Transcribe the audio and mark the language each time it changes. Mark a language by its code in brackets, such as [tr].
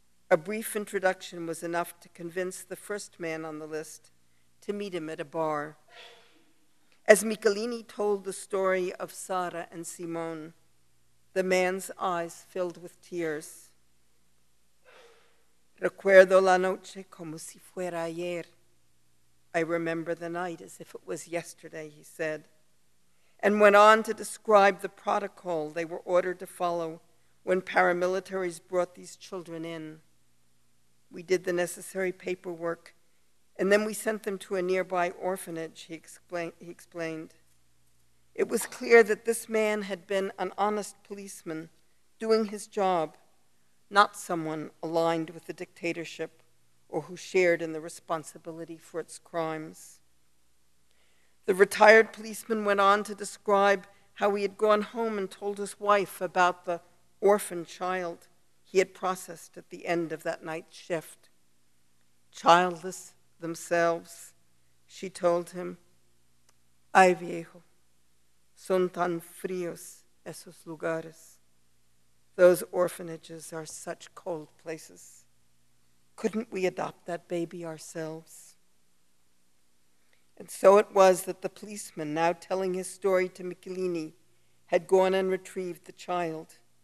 [en] A brief introduction was enough to convince the first man on the list to meet him at a bar. As Michelini told the story of Sara and Simon, the man's eyes filled with tears. [es] Recuerdo la noche como si fuera ayer. [en] I remember the night as if it was yesterday, he said, and went on to describe the protocol they were ordered to follow when paramilitaries brought these children in. We did the necessary paperwork, and then we sent them to a nearby orphanage, he explained. It was clear that this man had been an honest policeman doing his job, not someone aligned with the dictatorship or who shared in the responsibility for its crimes. The retired policeman went on to describe how he had gone home and told his wife about the orphan child he had processed at the end of that night shift. Childless themselves, she told him, [es] "Ay, viejo. Son tan fríos esos lugares. [en] Those orphanages are such cold places. Couldn't we adopt that baby ourselves?" And so it was that the policeman, now telling his story to Michelini, had gone and retrieved the child.